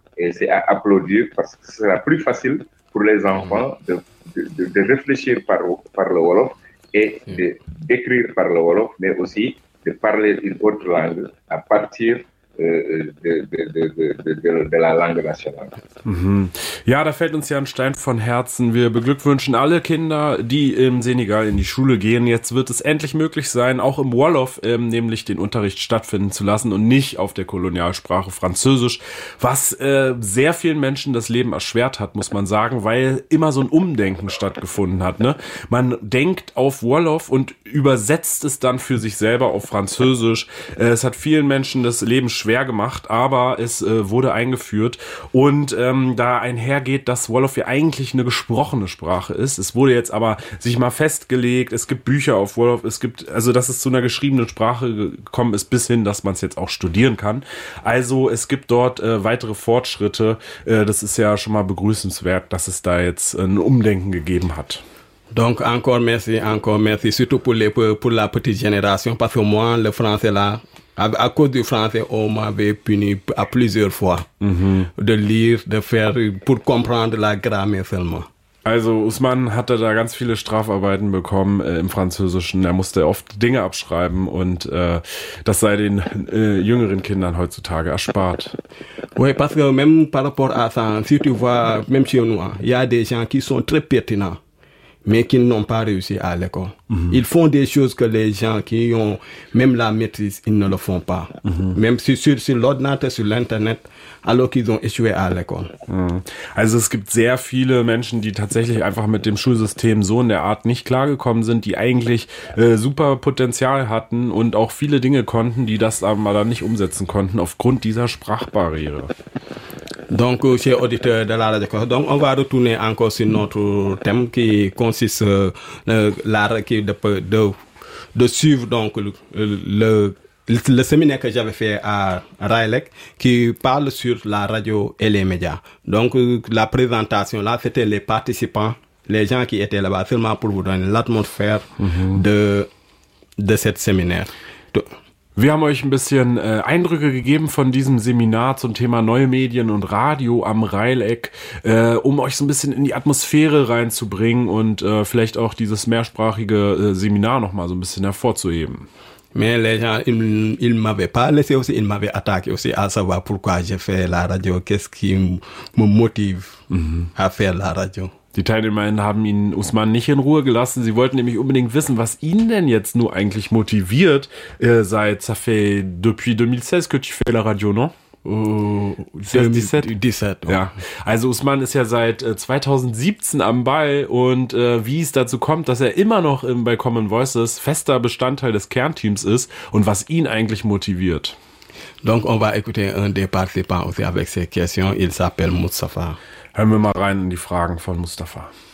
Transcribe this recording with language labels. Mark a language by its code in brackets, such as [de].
[fr] et c'est à applaudir parce que ce sera plus facile pour les enfants de réfléchir par le Wolof et d'écrire par le Wolof, mais aussi de parler une autre langue à partir de la langue nationale. [de] Ja, da fällt uns ja ein Stein von Herzen. Wir beglückwünschen alle Kinder, die im Senegal in die Schule gehen. Jetzt wird es endlich möglich sein, auch im Wolof nämlich den Unterricht stattfinden zu lassen und nicht auf der Kolonialsprache Französisch, was sehr vielen Menschen das Leben erschwert hat, muss man sagen, weil immer so ein Umdenken stattgefunden hat, ne? Man denkt auf Wolof und übersetzt es dann für sich selber auf Französisch. Es hat vielen Menschen das Leben schwer gemacht, aber es wurde eingeführt und da einhergeht, dass Wolof ja eigentlich eine gesprochene Sprache ist. Es wurde jetzt aber sich mal festgelegt, es gibt Bücher auf Wolof, es gibt, also dass es zu einer geschriebenen Sprache gekommen ist, bis hin, dass man es jetzt auch studieren kann. Also es gibt dort weitere Fortschritte. Das ist ja schon mal begrüßenswert, dass es da jetzt ein Umdenken gegeben hat. [fr] Donc encore merci, surtout pour la petite génération, parce que moi, le français là, à cause du français, on m'avait puni à plusieurs fois de lire, de faire, pour comprendre la grammaire seulement. [de] Also Ousmane hatte da ganz viele Strafarbeiten bekommen im Französischen. Er musste oft Dinge abschreiben und das sei den jüngeren Kindern heutzutage erspart. [fr] Oui, parce que même par rapport à ça, si tu vois, même chez nous, il y a des gens qui sont très pertinents. Mais qui n'ont pas réussi à l'école. Mm-hmm. Ils font des choses que les gens qui ont même la maîtrise, ils ne le font pas. Mm-hmm. Même sur l'ordinateur, sur l'Internet, alors qu'ils ont échoué à l'école. Mm. [de] Also es gibt sehr viele Menschen, die tatsächlich einfach mit dem Schulsystem so in der Art nicht klargekommen sind, die eigentlich super Potenzial hatten und auch viele Dinge konnten, die das aber dann nicht umsetzen konnten, aufgrund dieser Sprachbarriere. [fr] Donc, chers auditeurs de la radio, donc on va retourner encore sur notre thème qui consiste de suivre donc le séminaire que j'avais fait à Raelec qui parle sur la radio et les médias. Donc la présentation là, c'était les participants, les gens qui étaient là-bas, seulement pour vous donner l'atmosphère de cette séminaire. [de] Wir haben euch ein bisschen Eindrücke gegeben von diesem Seminar zum Thema neue Medien und Radio am Raelec, um euch so ein bisschen in die Atmosphäre reinzubringen und vielleicht auch dieses mehrsprachige Seminar nochmal so ein bisschen hervorzuheben. [fr] Mais les gens, ils m'avaient pas laissé aussi, ils m'avaient attaqué aussi à savoir pourquoi j'ai fait la radio, qu'est-ce qui me motive à faire la radio. [de] Die TeilnehmerInnen haben ihn Ousmane nicht in Ruhe gelassen. Sie wollten nämlich unbedingt wissen, was ihn denn jetzt nur eigentlich motiviert. [fr] Seit ça fait depuis 2016 que tu fais la radio, non? 2017. [de] Ja. Also Ousmane ist ja seit 2017 am Ball und wie es dazu kommt, dass er immer noch bei Common Voices fester Bestandteil des Kernteams ist und was ihn eigentlich motiviert. [fr] Donc on va écouter un des participants aussi avec ses questions. Il s'appelle Moustapha. [de] Hören wir mal rein in die Fragen von Moustapha.